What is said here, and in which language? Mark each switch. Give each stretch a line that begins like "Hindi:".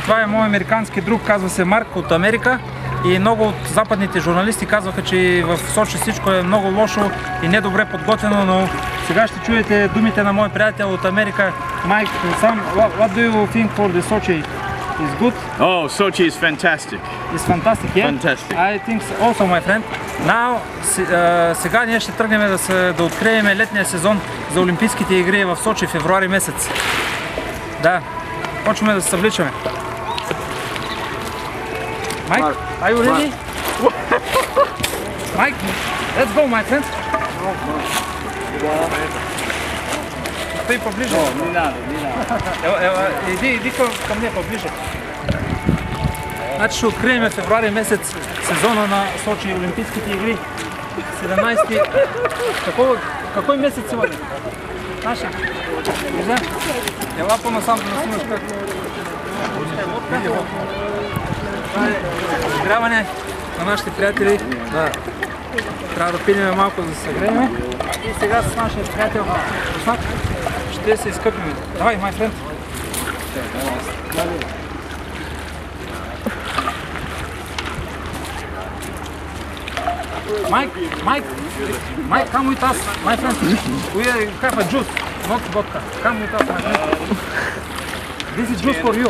Bulgarian: Това е мой американски друг, казва се Марк от Америка. И много от западните журналисти казваха, че в Сочи всичко е много лошо и недобре подготвено, но сега ще чуете думите на мой приятел от Америка, Майк.
English: Сам, what do you think for the Sochi? Is good? Oh, Sochi is fantastic. It's fantastic, yeah? Fantastic. I think so also, my friend.
Bulgarian: Now, сега ние ще тръгнем да открием летния сезон за Олимпийските игри в Сочи, февруари месец. Да, почваме да се съвличаме.
English: Майк, are you ready? Майк, let's go, my friend.
Russian: Стой поближе. Не надо, не надо.
Bulgarian: Иди към мен поближе. Значи ще открием февруари месец сезона на Сочи Олимпийските игри.
Russian: 17-ти. Какой месец сегодня? Наша? Виждам?
Bulgarian: Ела по-насам, да насмеш как. Това е изгряване на нашите приятели. Да. Трябва да пинем малко, за да се греем. И сега с нашия приятел Руслан ще се изкъпим.
English: Давай, my friend. Майк, come with us, my friend. We have a juice, not vodka. Come with us, my friend. This is juice for you.